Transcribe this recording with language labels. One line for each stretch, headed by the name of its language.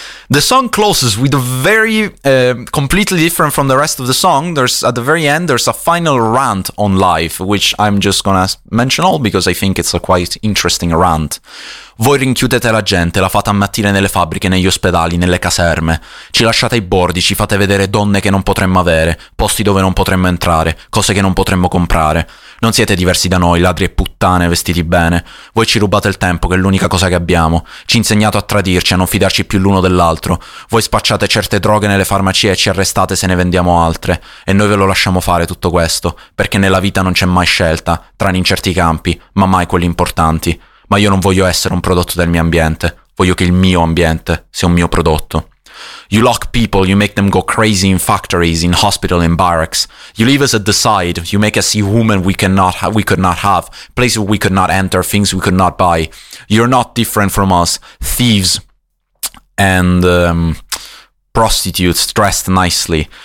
English: The song closes with a very completely different from the rest of the song. There's at the very end, there's a final rant on life, which I'm just gonna mention all because I think it's a quite interesting rant.
Italian: Voi rinchiudete la gente, la fate ammattire nelle fabbriche, negli ospedali, nelle caserme. Ci lasciate ai bordi, ci fate vedere donne che non potremmo avere, posti dove non potremmo entrare, cose che non potremmo comprare. Non siete diversi da noi, ladri e puttane, vestiti bene. Voi ci rubate il tempo, che è l'unica cosa che abbiamo. Ci insegnate a tradirci, a non fidarci più l'uno dell'altro. Voi spacciate certe droghe nelle farmacie e ci arrestate se ne vendiamo altre. E noi ve lo lasciamo fare tutto questo, perché nella vita non c'è mai scelta, tranne in certi campi, ma mai quelli importanti. Ma io non voglio essere un prodotto del mio ambiente, voglio che il mio ambiente sia un mio prodotto.
English: You lock people, you make them go crazy in factories, in hospital, in barracks. You leave us at the side, you make us see women we could not have, places we could not enter, things we could not buy. You're not different from us, thieves and prostitutes dressed nicely.